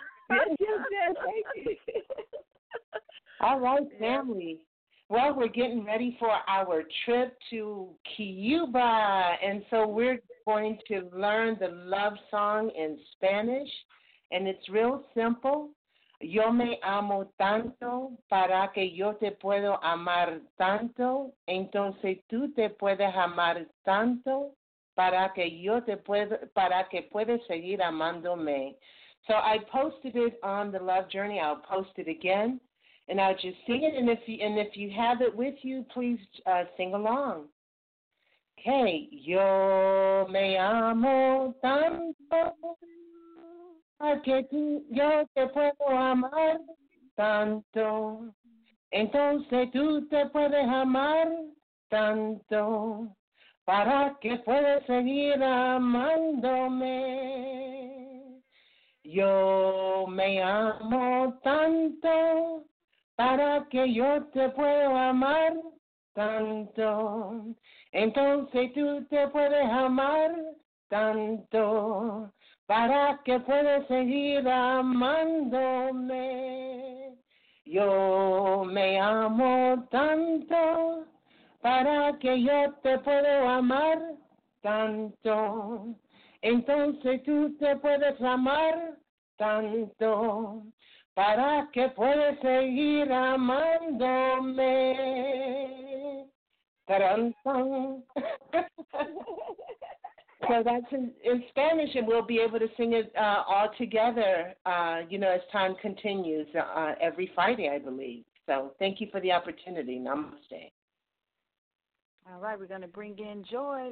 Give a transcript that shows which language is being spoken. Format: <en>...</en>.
<en>Yes, yes, yes. Thank you. All right, family. Well, we're getting ready for our trip to Cuba, and so we're going to learn the love song in Spanish, and it's real simple.</en> <es>Yo me amo tanto para que yo te puedo amar tanto, entonces tú te puedes amar tanto para que yo te puedo, para que puedes seguir amándome.</es> <en>So I posted it on the Love Journey. I'll post it again. And I'll just sing it, and if you have it with you, please sing along. Okay.</en> <es>Yo me amo tanto para que tú, yo te puedo amar tanto. Entonces tú te puedes amar tanto para que puedas seguir amándome. Yo me amo tanto para que yo te puedo amar tanto, entonces tú te puedes amar tanto, para que puedas seguir amándome. Yo me amo tanto, para que yo te puedo amar tanto, entonces tú te puedes amar tanto, para que puedes seguir amándome. Tarantan.</es> <en>So that's in Spanish, and we'll be able to sing it all together, you know, as time continues, every Friday, I believe. So thank you for the opportunity. Namaste. All right, we're going to bring in Joy.</en>